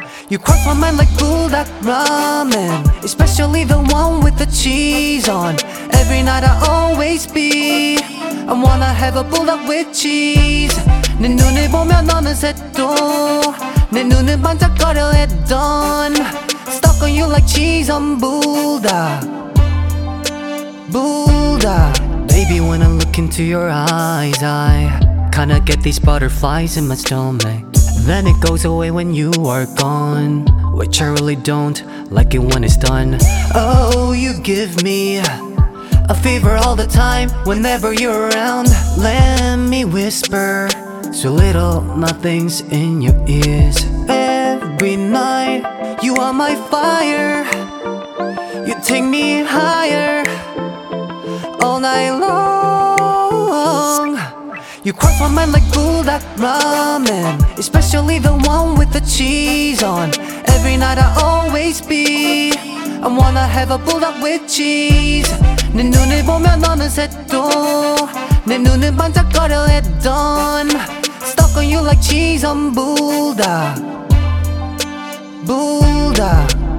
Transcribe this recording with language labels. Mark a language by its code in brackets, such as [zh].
[en] You crack my mind like bulldog ramen, especially the one with the cheese on. Every night I always be, I wanna have a bulldog with cheese. [ko] 내 눈을 보면 어느새 또 내 눈을 반짝거려 했던. [en] Stuck on you like cheese on bulldog, bulldog. Baby, when I look into your eyes, I kinda get these butterflies in my stomach. Then it goes away when you are gone, which I really don't like it when it's done. Oh, you give me a fever all the time whenever you're around. Let me whisper so little nothings in your ears. Every night you are my fire. You take me higher all night long. You cross my mind like bulldog ramen, especially the one with the cheese on. Every night I always be, I wanna have a bulldog with cheese. [ko] 내 눈을 보면 어느새 또 내 눈을 반짝거려 했던. [en] Stuck on you like cheese on bulldog, bulldog.